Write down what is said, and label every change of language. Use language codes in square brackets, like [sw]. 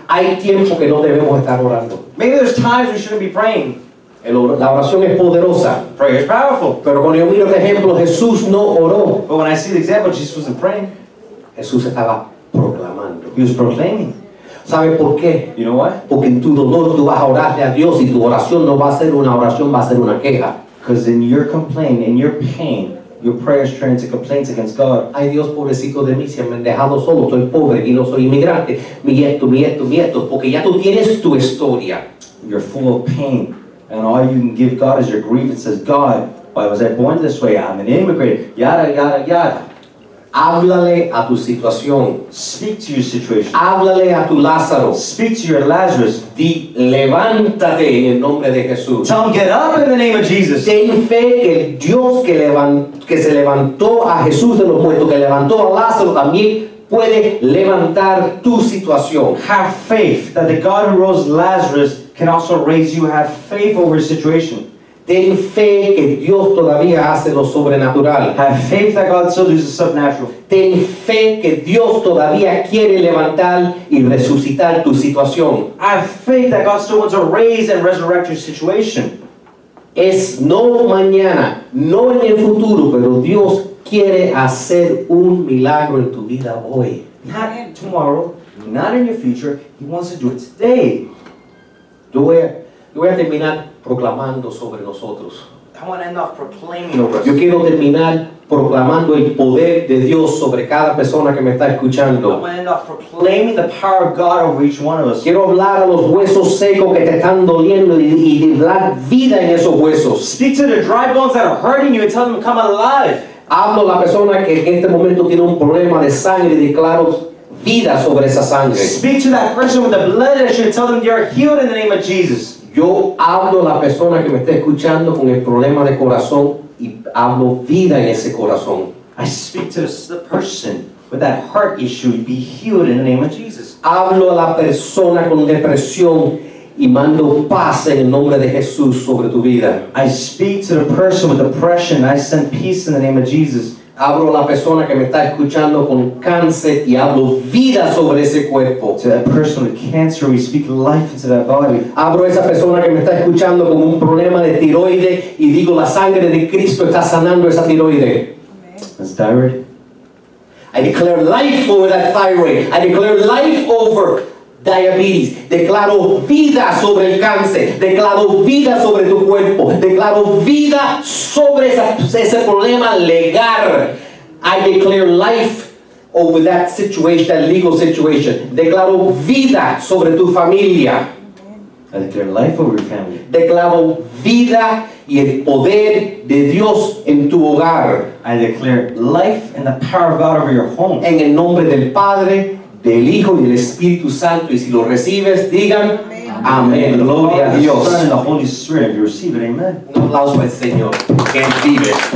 [es] Hay tiempo que no debemos estar orando. [en] Maybe there's times we shouldn't be praying. [es] La oración es poderosa. [en] Prayer is powerful. [es] Pero cuando yo miro el ejemplo, Jesús no oró. [en] But when I see the example, Jesus wasn't praying. [es] Jesús estaba proclamando. [en] He was proclaiming. [es] ¿Sabes por qué? [en] You know what? [es] Porque en tu dolor tú vas a orarle a Dios y tu oración no va a ser una oración, va a ser una queja. [en] Because in your complaint, in your pain, your prayers turn into complaints against God. [es] Ay Dios, pobrecito de mí, si me han dejado solo, estoy pobre y no soy inmigrante. Mi esto, porque ya tú tienes tu historia. [en] You're full of pain and all you can give God is your grievances. God, why was I born this way? I'm an immigrant. Yada, yada, yada. [es] Háblale a tu situación. [en] Speak to your situation. [es] Háblale a tu Lázaro. [en] Speak to your Lazarus. [es] Di, levántate en el nombre de Jesús. [en] Tell him, get up in the name of Jesus. [es] Ten fe que el Dios que se levantó a Jesús de los muertos, que levantó a Lázaro también, puede levantar tu situación. [en] Have faith that the God who rose Lazarus can also raise you. Have faith over your situation. [es] Ten fe que Dios todavía hace lo sobrenatural. [en] Have faith that God still does the supernatural. [es] Ten fe que Dios todavía quiere levantar y resucitar tu situación. [en] Have faith that God still wants to raise and resurrect your situation. [es] Es no mañana, no en el futuro, pero Dios quiere hacer un milagro en tu vida hoy. [en] Not in tomorrow, not in your future. He wants to do it today. [es] Yo voy a terminar proclamando sobre nosotros. [en] I want to end off proclaiming over us. [es] Yo quiero terminar proclamando el poder de Dios sobre cada persona que me está escuchando. [en] I want to end off proclaiming the power of God over each one of us. [es] Quiero hablar a los huesos secos que te están doliendo y dar vida en esos huesos. [en] Speak to the dry bones that are hurting you and tell them to come alive. [es] Hablo a la persona que en este momento tiene un problema de sangre y declaro vida sobre esa sangre. [en] Speak to that person with the blood issue and tell them you are healed in the name of Jesus. [es] Yo hablo a la persona que me está escuchando con el problema de corazón y hablo vida en ese corazón. [en] I speak to the person with that heart issue and be healed in the name of Jesus. [es] Hablo a la persona con depresión y mando paz en el nombre de Jesús sobre tu vida. [en] I speak to the person with depression. I send peace in the name of Jesus. [es] Hablo a la persona que me está escuchando con cáncer y hablo vida sobre ese cuerpo. [en] To that person with cancer, we speak life into that body. [es] Hablo a esa persona que me está escuchando con un problema de tiroides y digo la sangre de Cristo está sanando esa tiroide. [en] That's thyroid. I declare life over that thyroid. I declare life over diabetes. [es] Declaro vida sobre el cáncer. Declaro vida sobre tu cuerpo. Declaro vida sobre ese problema legal. [en] I declare life over that situation, that legal situation. [es] Declaro vida sobre tu familia. [en] I declare life over your family. [es] Declaro vida y el poder de Dios en tu hogar. [en] I declare life and the power of God over your home. [es] En el nombre del Padre, del Hijo y del Espíritu Santo, y si lo recibes, digan amén. Gloria a Dios. [en] The Son and the Holy Spirit, you receive it, amen. [es] Un aplauso al Señor, que Él vive.